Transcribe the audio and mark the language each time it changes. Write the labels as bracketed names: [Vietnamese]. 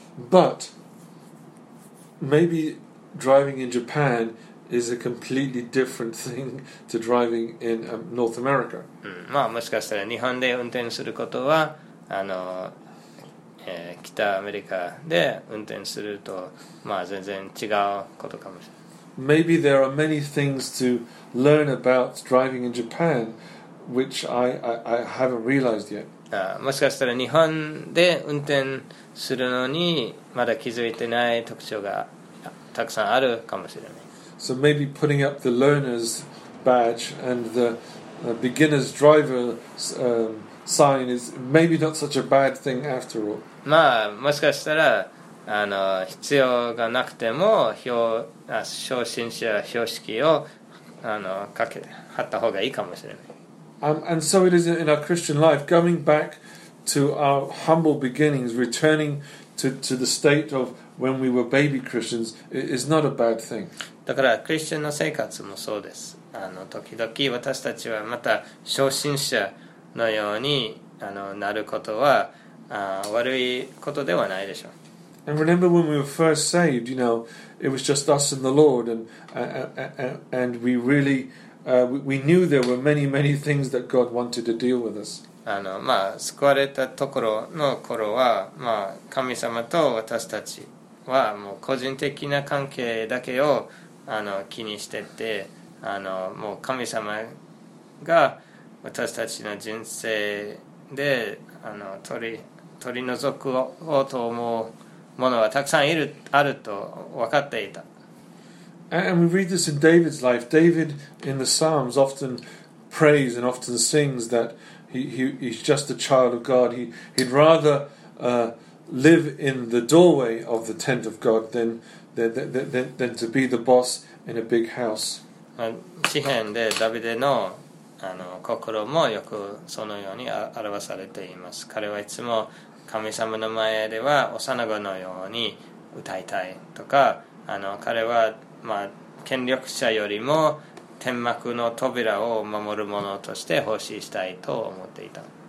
[English] But maybe driving in Japan is a completely different thing to driving in North America、 [Japanese] うん、まあもしかしたら日本で運転することはあの北アメリカで運転すると、まあ、全然違うことかもしれない。 [English] Maybe there are many things to learn about driving in Japan which I haven't realized yet. [Japanese] もしかしたら日本で運転するのにまだ気づいてない特徴がたくさんあるかもしれない。 [English] So maybe putting up the learner's badge and the beginner's driver'sSign is maybe not such a bad thing after all. [Japanese] まあもしかしたらあの必要がなくても初心者標識をあの貼った方がいいかもしれない。 [English] And so it is in our Christian life, going back to our humble beginnings, returning to the state of when we were baby Christians is not a bad thing. [Japanese] だからクリスチャンの生活もそうです。あの時々私たちはまた初心者のようにあのなることはあ悪いことではないでしょう。 [English] And remember when we were first saved, you know, it was just us and the Lord, and we really we knew there were many many things that God wanted to deal with us. [Japanese] あのまあ救われたところの頃はまあ神様と私たちはもう個人的な関係だけをあの気にしててあのもう神様が私たちの人生であの取り除こうと思うものはたくさんあると分かっていた。 [English] And we read this in David's life. David in the Psalms often prays and often sings that he's just a child of God. He'd rather live in the doorway of the tent of God than to be the boss in a big house. [Japanese] 詩編でダビデのあの心もよくそのように表されています。彼はいつも神様の前では幼子のように歌いたいとか、あの彼はまあ権力者よりも天幕の扉を守る者として奉仕したいと思っていた。